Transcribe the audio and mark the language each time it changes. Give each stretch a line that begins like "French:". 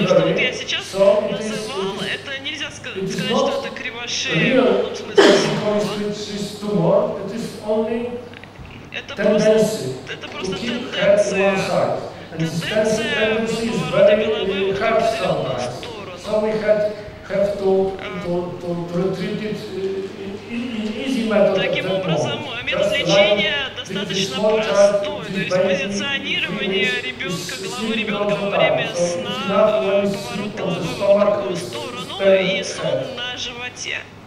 Russian: То, что вот я сейчас называл, это нельзя сказать, что это кривошее в полном смысле. Это просто тенденция. Тенденция поворота головы вот как в одну сторону.
English: So we have to treat it in easy method.
Russian: Таким образом, метод лечения достаточно простой. То есть позиционирование ребенка, головы ребенка во время сна, поворот головы в другую сторону и сон на животе.